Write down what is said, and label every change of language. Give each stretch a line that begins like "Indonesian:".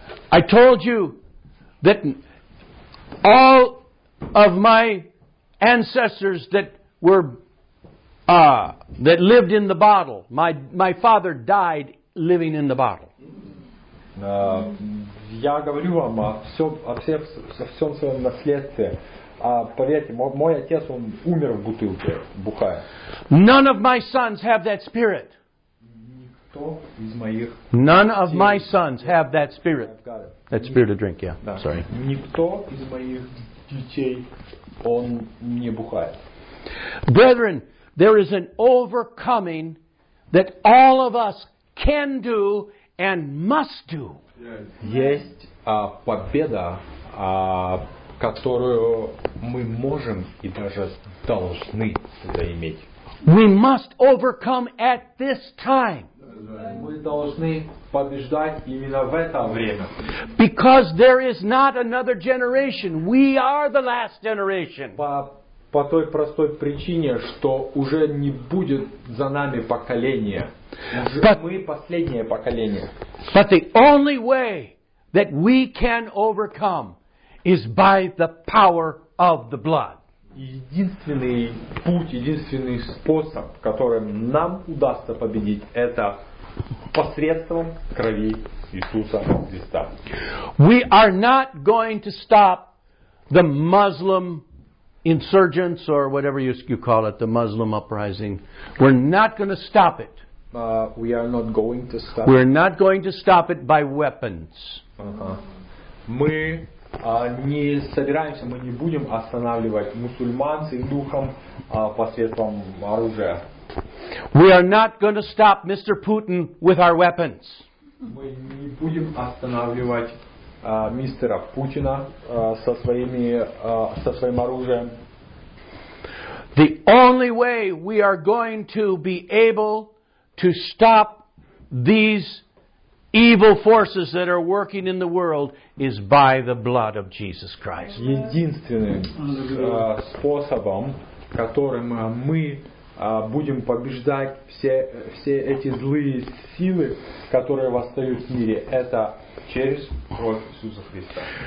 English: I told you that all of my ancestors that were that lived in the bottle, my father died living in the bottle.
Russian: Я говорю вам о всем своем наследстве. Поверьте, мой отец, он умер в бутылке, бухая.
English: None of my sons have that spirit.
Russian: Никто из моих.
English: None of my sons have that spirit. That spirit of drink, yeah.
Russian: Да.
English: Sorry.
Russian: Никто из моих детей, он не бухает.
English: Brethren, there is an overcoming that all of us can do and must do.
Russian: Есть победа, которую мы можем и даже должны заиметь.
English: We must overcome at this time.
Russian: Мы должны побеждать именно в это время.
English: Because there is not another generation. We are the last generation.
Russian: По той простой причине, что уже не будет за нами поколения. Мы последнее поколение.
English: But the only way that we can overcome is by the power of the blood.
Russian: Единственный путь, единственный способ, которым нам удастся победить, это посредством крови Иисуса Христа.
English: We are not going to stop the Muslim insurgents or whatever you call it, the Muslim uprising. We're not going to stop it. We are not going to stop. We're not going to stop it by weapons.
Russian: Мы не собираемся, мы не будем останавливать мусульман с духом посредством оружия.
English: We are not going to stop Mr. Putin with our weapons.
Russian: Мы не будем останавливать мистера Путина со своим оружием.
English: The only way we are going to be able to stop these evil forces that are working in the world is by the blood of Jesus Christ.
Russian: Единственным способом, которым мы будем побеждать все эти злые силы, которые восстают в мире, это через кровь Иисуса Христа.